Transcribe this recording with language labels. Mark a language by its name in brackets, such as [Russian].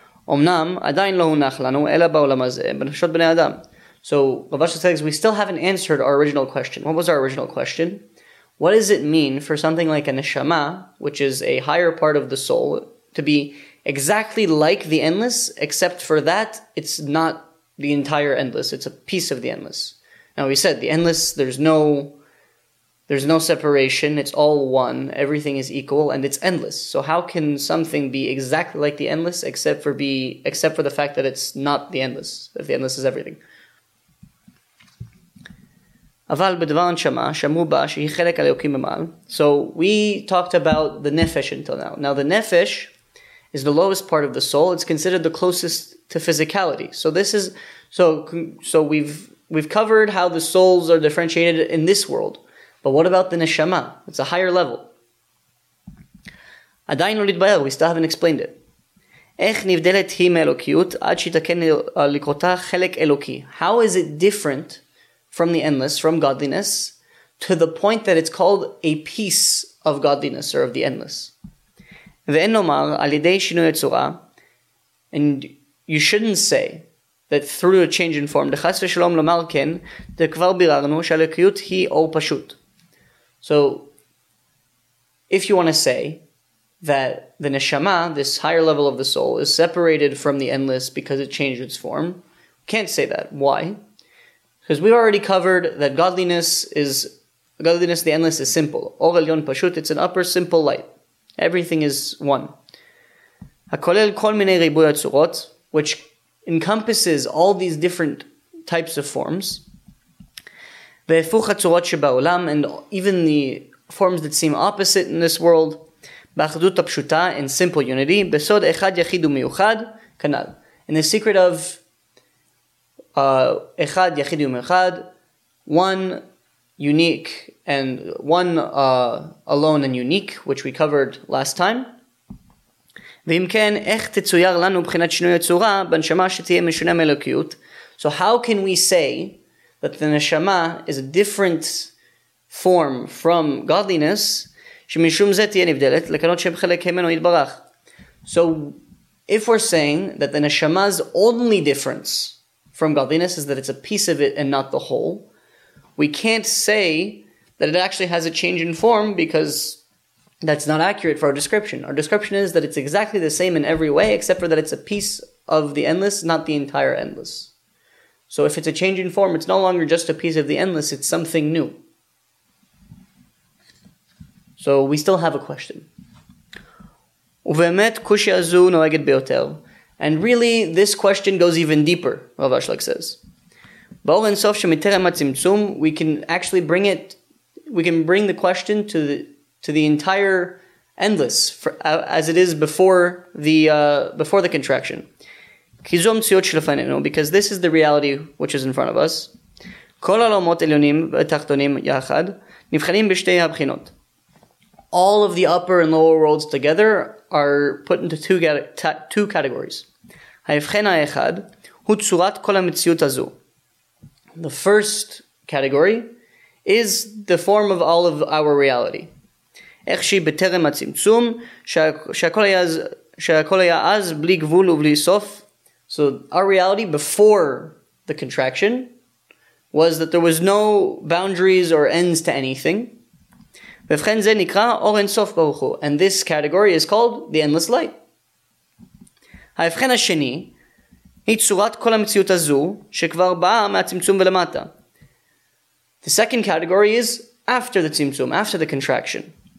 [Hebrew] אמנם עדיין לא הונח לנו אלא בעולם הזה בנפשות בני אדם. [English] So Rav Ashlag says we still haven't answered our original question. What was our original question? What does it mean for something like a neshama, which is a higher part of the soul, to be exactly like the endless, except for that it's not the entire endless, it's a piece of the endless. Now we said the endless, there's no separation, it's all one, everything is equal, and it's endless. So how can something be exactly like the endless except for the fact that it's not the endless, that the endless is everything? [Hebrew] אבל בדבר הנשמה שמעו בה שהיא חלק אלוקים ממעל. [English] So we talked about the nefesh until now. Now the nefesh is the lowest part of the soul. It's considered the closest to physicality. So this is so we've covered how the souls are differentiated in this world. But what about the neshama? It's a higher level. [Hebrew] עדיין לא נתבהר, [English] we still haven't explained it. [Hebrew] איך נבדלת היא מאלוקיות עד שיתקן לקרותה חלק אלוקי? [English] How is it different from the endless, from godliness, to the point that it's called a piece of godliness or of the endless? [Hebrew] ואין לומר על ידי שינוי הצורה. [English] And you shouldn't say that through a change in form, [Hebrew] דחס ושלום לומר כן, דכבר ביררנו שהלקיות היא אור פשוט. [English] So, if you want to say that the neshama, this higher level of the soul, is separated from the endless because it changed its form, can't say that. Why? Because we've already covered that godliness, the endless, is simple. Or elyon pashut, it's an upper simple light. Everything is one. [Hebrew] הכולל כל מיני ריבוי הצורות, [English] which encompasses all these different types of forms. [Hebrew] והפוך הצורות שבעולם, [English] and even the forms that seem opposite in this world, [Hebrew] באחדות הפשוטה, [English] in simple unity, [Hebrew] בסוד אחד יחיד ומיוחד, כנ"ל. [English] In the secret of [Hebrew] אחד יחיד ומיוחד, [English] one unique and one alone and unique, which we covered last time, [Hebrew] ואם כן, איך תצויר לנו מבחינת שינוי הצורה בנשמה שתהיה משונה מאלוקיות? [English] So how can we say that the neshama is a different form from godliness, [Hebrew] שמשום זה תהיה נבדלת, לקנות שם חלק ממנו יתברך? [English] So if we're saying that the neshama's only difference from godliness is that it's a piece of it and not the whole, we can't say that it actually has a change in form because that's not accurate for our description. Our description is that it's exactly the same in every way except for that it's a piece of the endless, not the entire endless. So if it's a change in form, it's no longer just a piece of the endless, it's something new. So we still have a question. [Hebrew] ובאמת קושיה זו נוהגת ביותר. [English] And really, this question goes even deeper, Rav Ashlag says. [Hebrew] באור אינסוף שמטרם הצמצום, [English] we can actually bring it, we can bring the question to the entire endless, as it is before the contraction. [Hebrew] כי זו המציאות שלפנינו, [English] because this is the reality which is in front of us. [Hebrew] כל העולמות עליונים ותחתונים יחד, נבחנים בשתי הבחינות. [English] All of the upper and lower worlds together are put into two categories. [Hebrew] ההבחן האחד הוא צורת כל המציאות הזו. [English] The first category is the form of all of our reality. [Hebrew] איך שהיא בטרם הצמצום, שהכל היה אז בלי גבול ובלי סוף. [English] So our reality before the contraction was that there was no boundaries or ends to anything. [Hebrew] ובכן זה נקרא אור אינסוף ברוך הוא. [English] And this category is called the endless light. [Hebrew] ההבחן השני היא צורת כל המציאות הזו שכבר באה מהצמצום ולמטה. [English] The second category is after the tzimtzum, after the contraction.